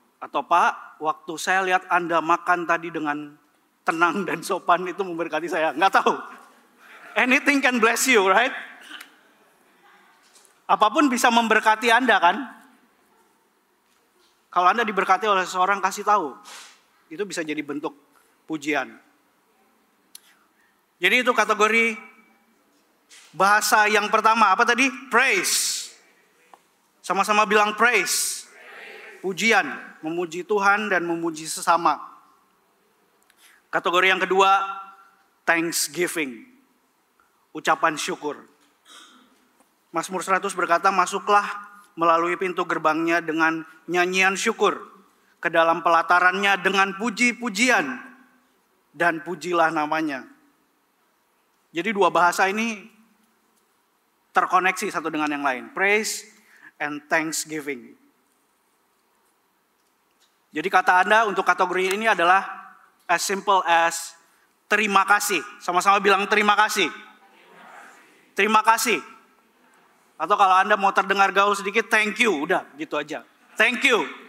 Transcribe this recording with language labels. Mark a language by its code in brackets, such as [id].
[id] Atau Pak, waktu saya lihat Anda makan tadi dengan tenang dan sopan itu memberkati saya. Enggak tahu. [en] Anything can bless you, right? [id] Apapun bisa memberkati Anda kan? Kalau Anda diberkati oleh seseorang, kasih tahu. Itu bisa jadi bentuk pujian. Jadi itu kategori bahasa yang pertama. Apa tadi? Praise. Sama-sama bilang praise. Pujian. Memuji Tuhan dan memuji sesama. Kategori yang kedua, thanksgiving. Ucapan syukur. Mazmur 100 berkata, masuklah melalui pintu gerbangnya dengan nyanyian syukur, ke dalam pelatarannya dengan puji-pujian, dan pujilah namanya. Jadi dua bahasa ini terkoneksi satu dengan yang lain. [en] Praise and thanksgiving. [id] Jadi kata Anda untuk kategori ini adalah [en] as simple as [id] terima kasih. Sama-sama bilang terima kasih. Terima kasih. Atau kalau Anda mau terdengar gaul sedikit, thank you. Udah, gitu aja. Thank you.